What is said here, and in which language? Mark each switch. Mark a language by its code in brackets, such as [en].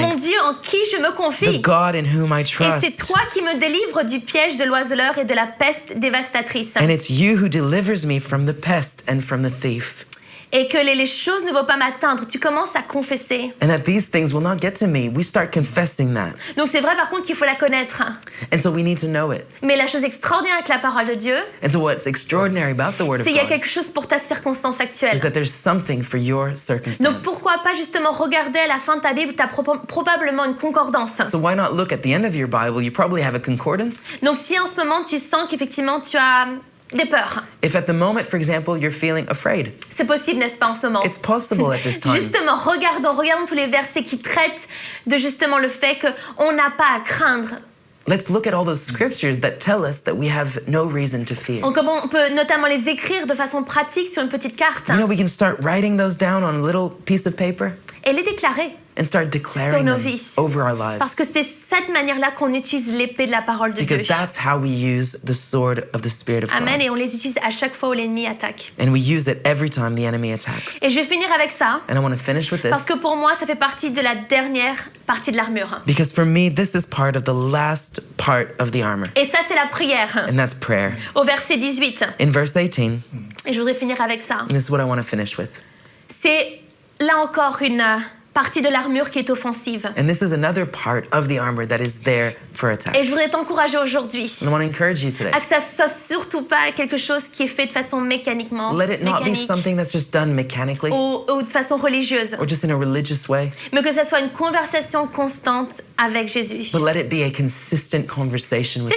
[fr] Mon Dieu en qui je me [en] the God in whom I trust. [fr] Et c'est toi qui me délivres du piège de l'oiseleur et de la peste dévastatrice. [en] And it's you who delivers me from the pest and from the thief. [fr] Et que les choses ne vont pas m'atteindre. Tu commences à confesser. [en] And that these things will not get to me. We start confessing that. [fr] Donc c'est vrai par contre qu'il faut la connaître. [en] And so we need to know it. [fr] Mais la chose extraordinaire avec la parole de Dieu. [en] And so what's extraordinary about the word of God. [fr] C'est qu'il y a quelque chose pour ta circonstance actuelle. [en] Is that there's something for your circumstance. [fr] Donc pourquoi pas justement regarder à la fin de ta Bible, t'as probablement une concordance. [en] So why not look at the end of your Bible? You probably have a concordance. [fr] Donc si en ce moment tu sens qu'effectivement tu as des peurs. [en] If at the moment, for example, you're feeling afraid. [fr] C'est possible, n'est-ce pas, en ce moment? [en] It's possible at this time. [fr] Justement, regardons tous les versets qui traitent de justement le fait qu'on n'a pas à craindre. [en] Let's look at all those scriptures that tell us that we have no reason to fear. [fr] On peut notamment les écrire de façon pratique sur une petite carte. [en] You know, we can start writing those down on a little piece of paper. [fr] Et les déclarer. [en] And start declaring [fr] sur nos [en] them [fr] vies. [en] Over our lives. [fr] Parce que c'est cette manière-là qu'on utilise l'épée de la parole de [en] because Because that's how we use the sword of the Spirit of amen. God. [fr] Amen. Et on les utilise à chaque fois où l'ennemi attaque. [en] And we use it every time the enemy attacks. [fr] Et je vais finir avec ça. [en] And I want to finish with this. [fr] Parce que pour moi, ça fait partie de la dernière partie de l'armure. [en] Because for me, this is part of the last part of the armor. [fr] Et ça, c'est la prière. [en] And that's prayer. [fr] Au verset 18. [en] In verse 18. [fr] Et je voudrais finir avec ça. [en] And this is what I want to finish with. [fr] C'est là encore une partie de l'armure qui est offensive. [en] And this is another part of the armor that is there for attack. [fr] Et je voudrais t'encourager aujourd'hui. [en] I want to encourage you today. [fr] À que ça soit surtout pas quelque chose qui est fait de façon mécaniquement. [en] Let it not be something that's just done mechanically. [fr] Ou de façon religieuse. [en] Or just in a religious way. [fr] Mais que ça soit une conversation constante avec Jésus. [en] But let it be a consistent conversation with